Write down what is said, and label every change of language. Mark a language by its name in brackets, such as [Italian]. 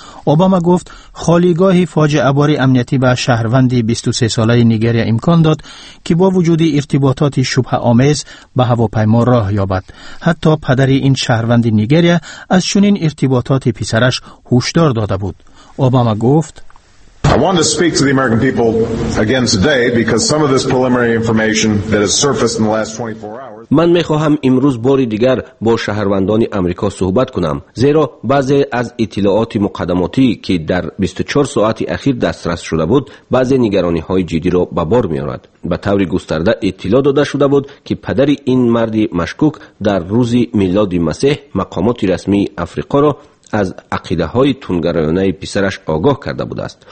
[Persian] اوباما گفت خالیگاه فاجعه بار امنیتی به شهروندی 23 ساله نیجریه امکان داد که با وجود ارتباطات شبه آمیز به هواپیما راه یابد. حتی پدر این شهروند نیجریه از چنین ارتباطات پسرش هشدار داده بود. اوباما گفت [English] I want to speak to the American people again today because some of this preliminary information that has surfaced in the last 24 hours. [Persian] من میخواهم امروز باری دیگر با شهروندان آمریکا صحبت کنم، زیرا بعضی از اطلاعات مقدماتی که در 24 ساعت اخیر دسترس شده بود، بعضی نگرانی های جدی را به بار می آورد. به طور گسترده اطلاع داده شده بود که پدر این مرد مشکوک در روز میلاد مسیح مقامات رسمی آفریقا را از عقیده های تونگرایانه پسرش آگاه کرده بود است.